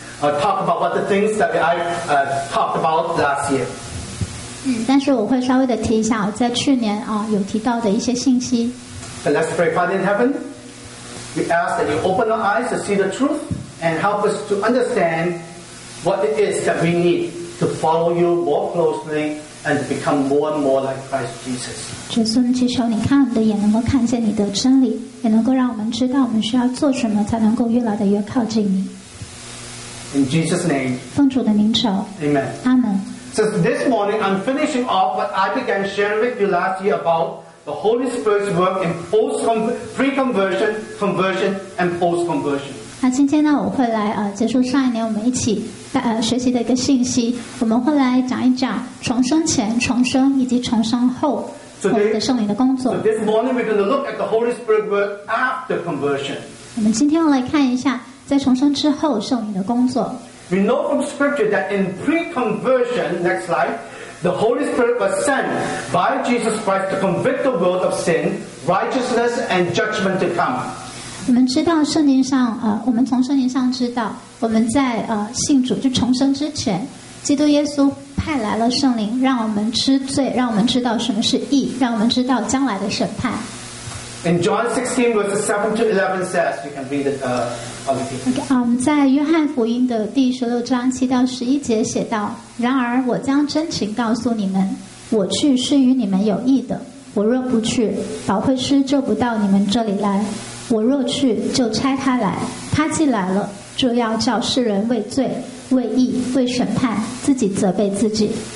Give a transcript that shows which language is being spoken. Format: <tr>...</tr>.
<en>Talk about what the things that I talked about last year.</en> <zh>但是我会稍微的提一下在去年有提到的一些信息。</zh> <en>Let's pray, Father in heaven. We ask that you open our eyes to see the truth and help us to understand what it is that we need to follow you more closely and become more and more like Christ Jesus.</en> <zh>主孙，祈求你看我们的眼能够看见你的真理，也能够让我们知道我们需要做什么才能够越来的越靠近你。</zh> <en>In Jesus' name.</en> <zh>奉主的名求。</zh> <en>Amen. Amen. So this morning I'm finishing off what I began sharing with you last year about the Holy Spirit's work in pre-conversion, conversion, and post-conversion.</en> <zh>那今天呢，我会来结束上一年我们一起学习的一个信息。我们会来讲一讲重生前、重生以及重生后我们的圣灵的工作。</zh> <en>So this morning we're going to look at the Holy Spirit's work after conversion.</en> <zh>我们今天要来看一下。在重生之后圣灵的工作</zh> <en>We know from scripture that in pre-conversion next slide the Holy Spirit was sent by Jesus Christ to convict the world of sin righteousness and judgment to come</en> <zh>我们知道圣经上我们从圣经上知道我们在信主就重生之前基督耶稣派来了圣灵让我们知罪让我们知道什么是义让我们知道将来的审判</zh> <en>In John 16 verses 7 to 11 says you can read it</en> <zh>Okay, 在约翰福音的第十六章七到十一节写道然而我将真情告诉你们我去是与你们有益的我若不去保惠师就不到你们这里来我若去就差他来他既来了就要叫世人为罪为义为审判自己责备自己</zh>